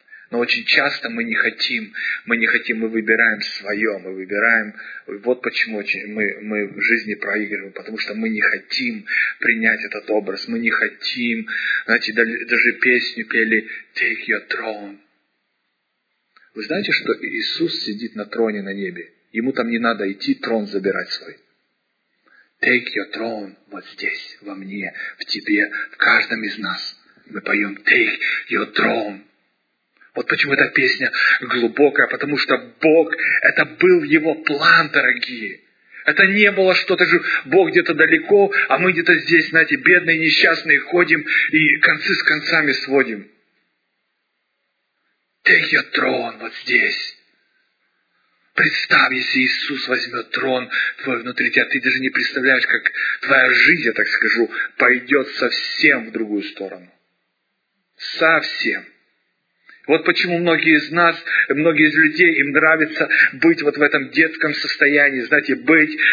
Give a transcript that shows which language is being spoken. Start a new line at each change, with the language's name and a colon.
Russian: Но очень часто мы не хотим, мы выбираем свое, мы выбираем, вот почему мы в жизни проигрываем, потому что мы не хотим принять этот образ, мы не хотим, знаете, даже песню пели
English: «Take your throne».
Russian: Вы знаете, что Иисус сидит на троне на небе, Ему там не надо идти трон забирать свой.
English: «Take your throne»
Russian: вот здесь, во мне, в тебе, в каждом из нас. Мы поем
English: «Take your throne».
Russian: Вот почему эта песня глубокая, потому что Бог, это был Его план, дорогие. Это не было что-то же, Бог где-то далеко, а мы где-то здесь, знаете, бедные, несчастные, ходим и концы с концами сводим.
English: Take your throne
Russian: вот здесь. Представь, если Иисус возьмет трон твой внутри тебя, ты даже не представляешь, как твоя жизнь, я так скажу, пойдет совсем в другую сторону. Совсем. Вот почему многие из нас, многие из людей, им нравится быть вот в этом детском состоянии, знаете, быть.